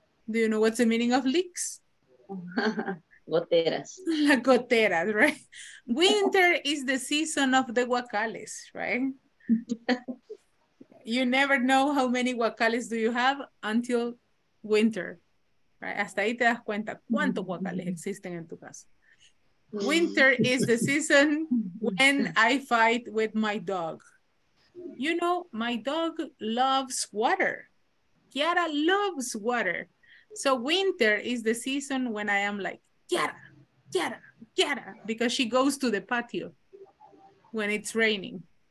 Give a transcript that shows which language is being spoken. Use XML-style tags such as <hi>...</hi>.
<en>Do you know what's the meaning of leaks?</en> <es>Goteras. La gotera, right?</es> <en>Winter is the season of the guacales, right? You never know how many guacales do you have until winter, right?</en> <es>Hasta ahí te das cuenta cuántos guacales existen en tu casa.</es> <en>Winter is the season when I fight with my dog. You know, my dog loves water. Kiara loves water. So winter is the season when I am like, Kiara, because she goes to the patio when it's raining.</en>